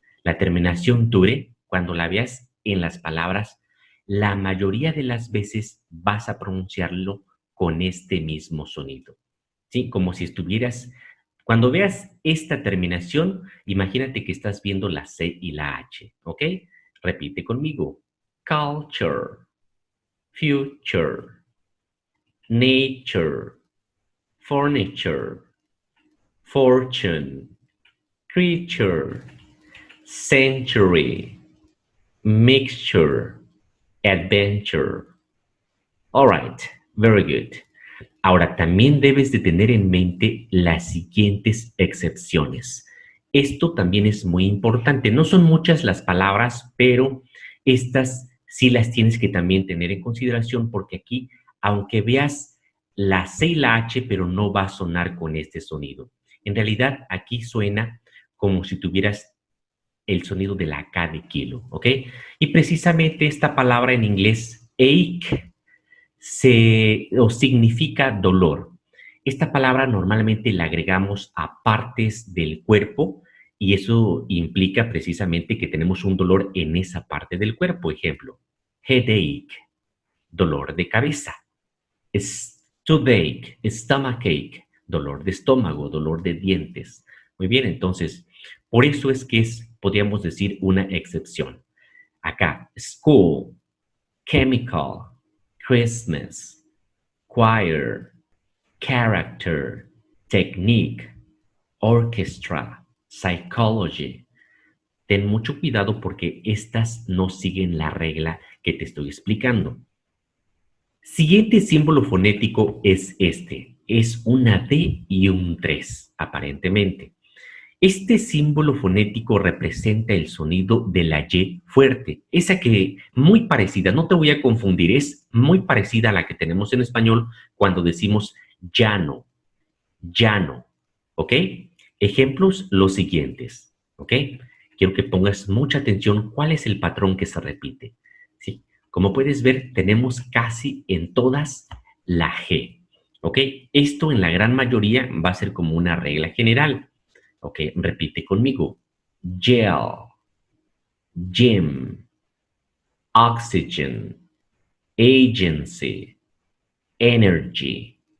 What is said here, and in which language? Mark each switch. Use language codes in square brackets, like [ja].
[es] La terminación dure, cuando la veas en las palabras, la mayoría de las veces vas a pronunciarlo con este mismo sonido, ¿sí? Como si estuvieras, cuando veas esta terminación, imagínate que estás viendo la C y la H, ¿ok? Repite conmigo. [en] Culture, future, nature, furniture, fortune, creature, century, mixture, adventure. All right, very good. [es] Ahora, también debes de tener en mente las siguientes excepciones. Esto también es muy importante. No son muchas las palabras, pero estas sí las tienes que también tener en consideración porque aquí, aunque veas la C y la H, pero no va a sonar con este sonido. En realidad, aquí suena como si tuvieras el sonido de la K de kilo, ¿ok? Y precisamente esta palabra en inglés, ache, o significa dolor. Esta palabra normalmente la agregamos a partes del cuerpo y eso implica precisamente que tenemos un dolor en esa parte del cuerpo. Ejemplo, headache, dolor de cabeza. Stoothache, stomachache, dolor de estómago, dolor de dientes. Muy bien, entonces, por eso es que es, podríamos decir, una excepción. [en] Acá, school, chemical, Christmas, choir. Character, technique, orchestra, psychology. [es] Ten mucho cuidado porque estas no siguen la regla que te estoy explicando. Siguiente símbolo fonético es este. Es una D y un 3, aparentemente. Este símbolo fonético representa el sonido de la Y fuerte, esa que muy parecida, no te voy a confundir, es muy parecida a la que tenemos en español cuando decimos llano, llano. ¿Ok? Ejemplos los siguientes. ¿Ok? Quiero que pongas mucha atención cuál es el patrón que se repite. ¿Sí? Como puedes ver, tenemos casi en todas la G. ¿Ok? Esto en la gran mayoría va a ser como una regla general. ¿Ok? Repite conmigo. [en] Gel, gym, oxygen, agency, energy.